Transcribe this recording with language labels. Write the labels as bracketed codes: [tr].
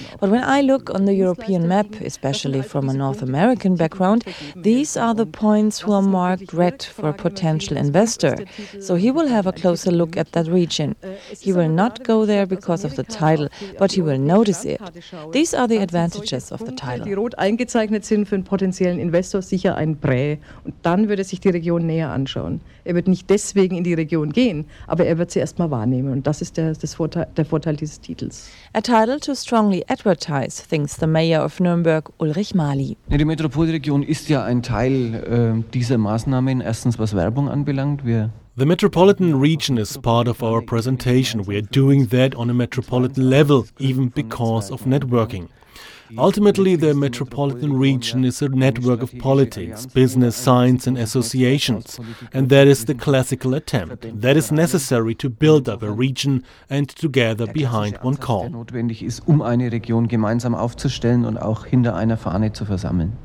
[en] But when I look on the European map, especially from a North American background, these are the points who are marked red for a potential investor. So he will have a closer look at that region. He will not go there because of the title, but he will notice it. These are the advantages of the title. [de] Die rot eingezeichnet sind für einen potenziellen Investor sicher ein Prä. Und dann würde sich die Region näher anschauen. Wird nicht deswegen in die Region gehen, aber wird sie erstmal wahrnehmen. Und das ist der Vorteil dieses Titels. [en] A title to strongly advertise, thinks the mayor of Nuremberg, Ulrich Mali. [de] Die Metropolregion ist ja ein Teil dieser Maßnahmen, erstens was Werbung anbelangt. [en] The metropolitan region is part of our presentation. We are doing that on a metropolitan level, even because of networking. Ultimately, the metropolitan region is a network of politics, business, science and associations. And that is the classical attempt. That is necessary to build up a region and to gather behind one call. [de] Notwendig ist, um eine Region gemeinsam aufzustellen und auch hinter einer Fahne zu versammeln.